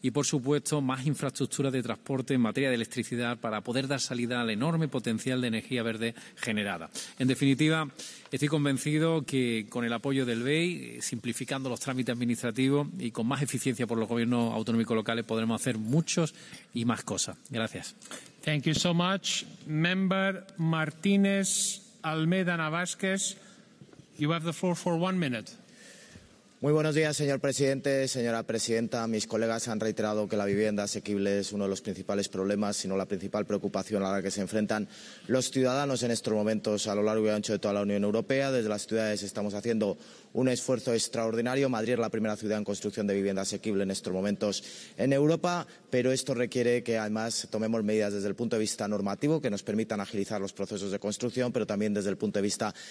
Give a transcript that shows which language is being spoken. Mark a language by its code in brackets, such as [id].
[es] Y, por supuesto, más infraestructuras de transporte en materia de electricidad para poder dar salida al enorme potencial de energía verde generada. En definitiva, estoy convencido que con el apoyo del BEI, simplificando los trámites administrativos y con más eficiencia por los gobiernos autonómicos locales, podremos hacer muchos y más cosas. Gracias. [en] Thank you so much. Member Martínez Almeida Navásquez, you have the floor for 1 minute. [es] Muy buenos días, señor presidente, señora presidenta. Mis colegas han reiterado que la vivienda asequible es uno de los principales problemas, sino la principal preocupación a la que se enfrentan los ciudadanos en estos momentos a lo largo y ancho de toda la Unión Europea. Desde las ciudades estamos haciendo un esfuerzo extraordinario. Madrid es la primera ciudad en construcción de vivienda asequible en estos momentos en Europa, pero esto requiere que además tomemos medidas desde el punto de vista normativo que nos permitan agilizar los procesos de construcción, pero también desde el punto de vista